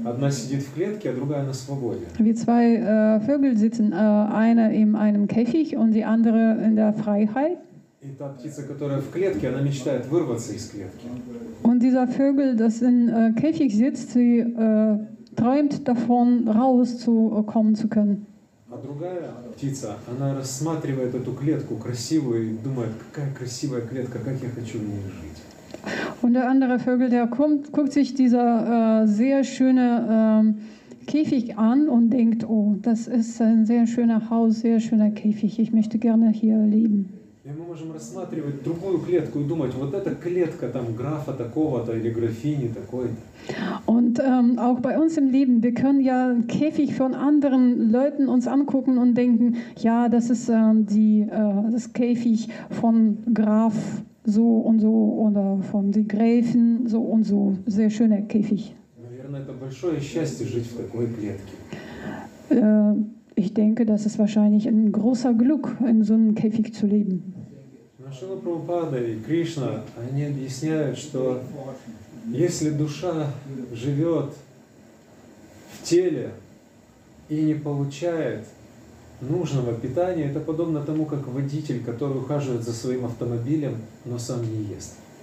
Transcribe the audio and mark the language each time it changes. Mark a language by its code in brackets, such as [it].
[de] Wie zwei Vögel sitzen, eine in einem Käfig und die andere in der Freiheit. [ru] И та птица, которая в клетке, она мечтает вырваться из клетки. [de] Und dieser Vögel, das in Käfig sitzt, sie träumt davon, rauszukommen zu können. [ru] А другая птица, она рассматривает эту клетку красивую и думает, какая красивая клетка, как я хочу в ней жить. [de] Und der andere Vögel, der kommt, guckt sich dieser sehr schöne Käfig an und denkt, oh, das ist ein sehr schöner Haus, sehr schöner Käfig, ich möchte gerne hier leben. [ru] И мы можем рассматривать другую клетку и думать, вот эта клетка там графа такого-то или графини такой-то. [de] Und auch bei uns im Leben, wir können ja Käfig von anderen Leuten uns angucken und denken, ja, das ist das Käfig von Graf so und so oder von die Gräfin so und so, sehr schöner Käfig. [ru] Наверное, это большое счастье жить в такой клетке. [de] Ich denke, das ist wahrscheinlich ein großer Glück, in so einem Käfig zu leben. [ru] Шрила Прабхупада и Кришна, они объясняют, что если душа живет в теле и не получает нужного питания, это подобно тому, как водитель, который ухаживает за своим автомобилем, но сам не ест.